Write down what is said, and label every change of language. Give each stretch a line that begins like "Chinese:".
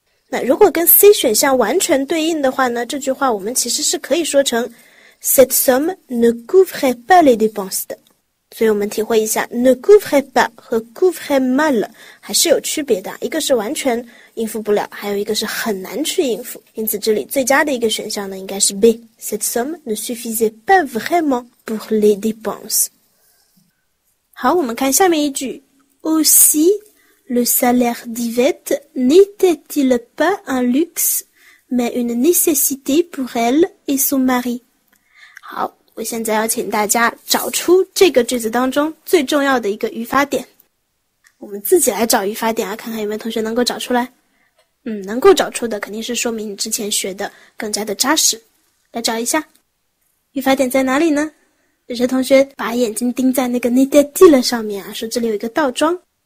Chinese: 那如果跟 C 选项完全对应的话呢，这句话我们其实是可以说成
French: Cette somme ne couvrait pas les dépenses
Chinese: 的。所以，我们体会一下
French: ne couvrait pas
Chinese: 和
French: couvrait mal
Chinese: 还是有区别的，一个是完全应付不了，还有一个是很难去应付。因此，这里最佳的一个选项呢，应该是 B。
French: Cette somme ne suffisait pas vraiment pour les dépenses。
Chinese: 好，我们看下面一句。
French: Aussi, le salaire d'Yvette n'était-il pas un luxe, mais une nécessité pour elle et son mari?
Chinese: 好，我现在要请大家找出这个句子当中最重要的一个语法点。我们自己来找语法点啊，看看有没有同学能够找出来。能够找出的肯定是说明你之前学的更加的扎实。来找一下，语法点在哪里呢？有些同学把眼睛盯在那个 n'était-il 上面啊，说这里有一个倒装。